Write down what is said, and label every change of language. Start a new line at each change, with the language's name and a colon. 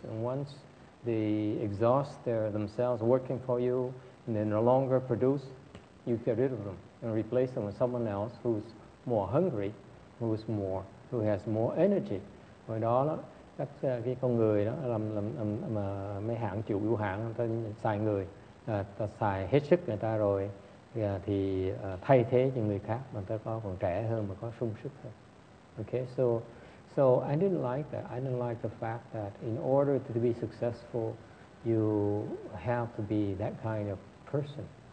English: And once they exhaust themselves working for you, and they no longer produce, you get rid of them and replace them with someone else who's more hungry, who has more energy.
Vietnamese: Rồi đó là các cái con người đó làm mấy hãng chủ yếu hãng ta xài người, ta xài hết sức người ta rồi thì thay thế những người khác mà ta có còn trẻ hơn mà có sung sức hơn.
English: Okay, so I didn't like that. I didn't like the fact that in order to be successful, you have to be that kind of person.